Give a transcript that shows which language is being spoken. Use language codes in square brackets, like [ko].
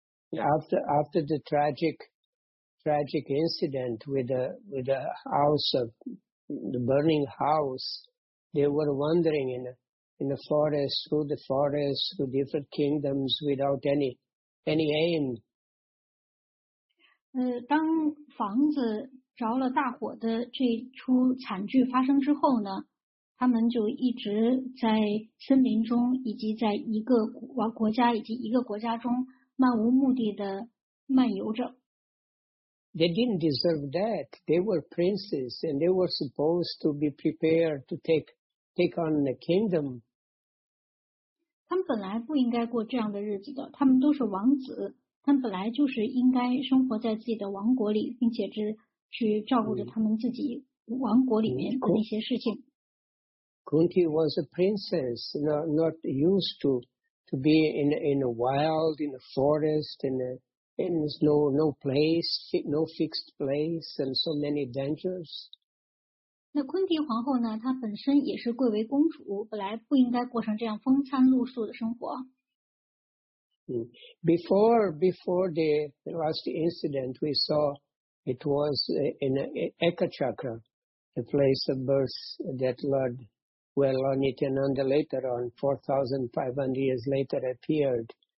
[en] After the tragic incident with the house of the burning house, they were wandering in the forest, through the forest, through different kingdoms, without any aim. [zh] 当房子着了大火的这出惨剧发生之后呢，他们就一直在森林中，以及在一个国家以及一个国家中漫无目的的漫游着。 [en] They didn't deserve that. They were princes, and they were supposed to be prepared to take on the kingdom. [zh] 他们本来不应该过这样的日子的，他们都是王子，他们本来就是应该生活在自己的王国里，并且去照顾着他们自己王国里面的那些事情。 [en] Kunti was a princess, not used to be in a wild, in a forest, in no place, no fixed place, and so many dangers. [zh] 那昆蒂皇后呢？她本身也是贵为公主，本来不应该过上这样风餐露宿的生活。 [en] Before the last incident, we saw it was in Eka Chakra, the place of birth that Lord Nityananda later on, 4,500 years later, appeared.